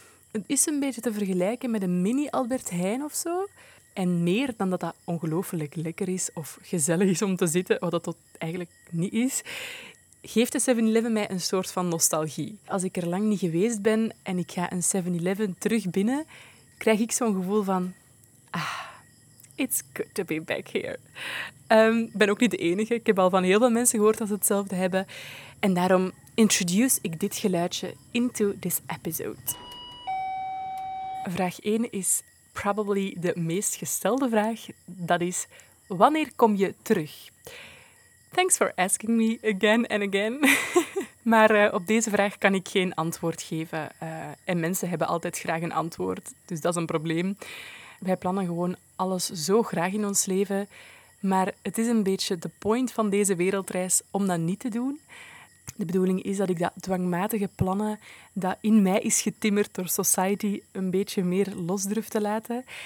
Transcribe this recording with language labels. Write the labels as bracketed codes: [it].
[nl] Het is een beetje te vergelijken met een mini-Albert Heijn of zo. En meer dan dat dat ongelooflijk lekker is of gezellig is om te zitten, wat dat eigenlijk niet is, geeft de 7-Eleven mij een soort van nostalgie. Als ik er lang niet geweest ben en ik ga een 7-Eleven terug binnen, krijg ik zo'n gevoel van... [en] Ah, it's good to be back here. [nl] Ik ben ook niet de enige. Ik heb al van heel veel mensen gehoord dat ze hetzelfde hebben. En daarom introduce ik dit geluidje [en] into this episode. [nl] Vraag 1 is probably de meest gestelde vraag. Dat is, wanneer kom je terug? [en] Thanks for asking me again and again. [nl] Maar op deze vraag kan ik geen antwoord geven. En mensen hebben altijd graag een antwoord, dus dat is een probleem. Wij plannen gewoon alles zo graag in ons leven. Maar het is een beetje de point van deze wereldreis om dat niet te doen. De bedoeling is dat ik dat dwangmatige plannen dat in mij is getimmerd door society een beetje meer los durf te laten.